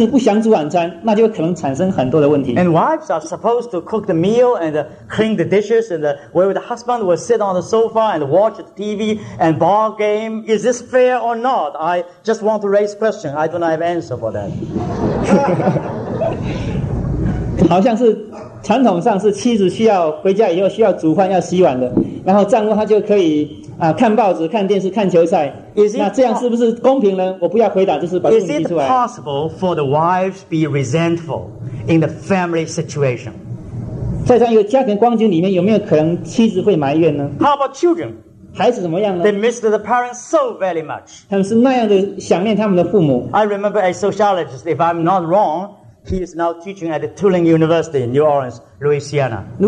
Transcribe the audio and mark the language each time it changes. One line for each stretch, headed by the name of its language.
Chinese: 我们一早起来就赶着去上班，然后回家以后，我们就是那样的忙碌，那样的累，甚至不想煮晚餐，那就可能产生很多的问题。
English: And wives are supposed to cook the meal and clean the dishes, and where the husband will sit on the sofa and watch the TV and ball game. Is this fair or not? I just want to raise question. I don't have answer for that.
Chinese: 好像是传统上是妻子需要回家以后需要煮饭要洗碗的，然后丈夫他就可以看报纸、看电视、看球赛。那这样是不是公平呢?我不要回答，就是把问题提出来。
English: Is it possible for the wives be resentful in the family situation?
Chinese: 在这样一个家庭光景里面，有没有可能妻子会埋怨呢?
English: How about children?
Chinese: 孩子怎么样呢?
English: They miss the parents so very much.
Chinese: 他们是那样的想念他们的父母。
English: I remember a sociologist, if I'm not wrong, he is now teaching at Tulane University in New Orleans, Louisiana.